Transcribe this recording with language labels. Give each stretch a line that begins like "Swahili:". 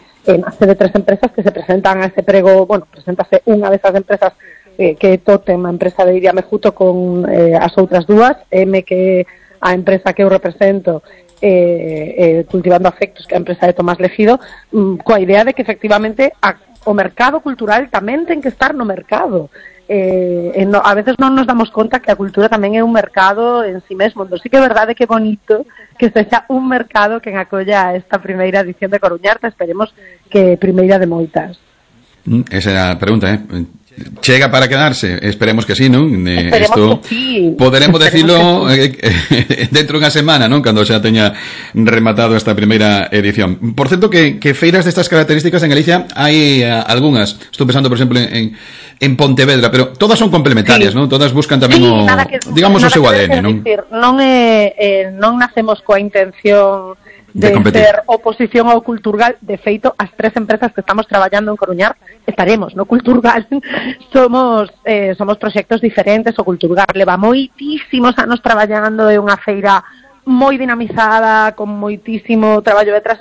Galician: Nace de tres empresas que se presentan a ese prego, bueno, preséntase unha de esas empresas que é Totem, a empresa de Iria Mejuto, con as outras dúas, M, que a empresa que eu represento, Cultivando Afectos, que é a empresa de Tomás Legido, coa idea de que efectivamente o mercado cultural tamén ten que estar no mercado. A veces non nos damos conta que a cultura tamén é un mercado en sí mesmo. Entón, sí que é verdade que é bonito que sexa un mercado que acolla esta primeira edición de Coruñarte, esperemos que primeira de moitas. Esa é a pregunta, ¿eh? Chega para quedarse, esperemos que sí, ¿no?
Spanish: Esto poderemos decirlo dentro de una semana, ¿no? Cuando se haya rematado esta primera edición. Por cierto, que feiras de estas características en Galicia hay algunas. Estoy pensando, por ejemplo, en Pontevedra, pero todas son complementarias, sí. ¿No? Todas buscan también, sí, digamos, ese ADN, ¿no?
Galician: Non nacemos coa intención de ser oposición ao Culturgal. De feito, as tres empresas que estamos traballando en Coruñar estaremos no Culturgal. Somos proxectos diferentes. O Culturgal leva moitísimos anos traballando, é unha feira moi dinamizada, con moitísimo traballo detrás.